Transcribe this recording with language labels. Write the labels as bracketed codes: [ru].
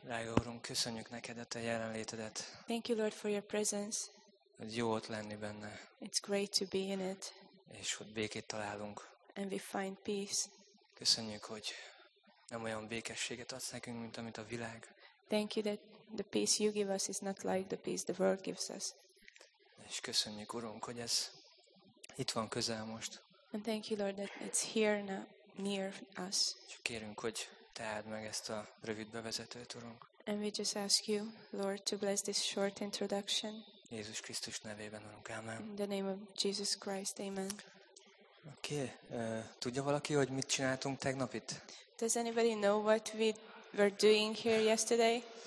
[hu] drága Úrunk, köszönjük neked a te jelenlétedet. [en] Thank you, Lord, for your presence. [hu] Hogy jó ott lenni benne. [en] It's great to be in it. [hu] És hogy békét találunk. [en] And we find peace. [hu] Köszönjük, hogy nem olyan békességet adsz nekünk, mint amit a világ. [en] Thank you that the peace you give us is not like the peace the world gives us. [hu] És köszönjük, Urunk, hogy ez itt van közel most. [en] And thank you, Lord, that it's here now, near us. [hu] Csak kérünk, hogy te add meg ezt a rövid bevezetőt, Urunk. [en] And we just ask you, Lord, to bless this short introduction. [hu] Jézus Krisztus nevében, Urunk, amen. [en] In the name of Jesus Christ, amen. [hu] Oké, tudja valaki, hogy mit csináltunk tegnap itt? [en] Does anybody know what we were doing here yesterday?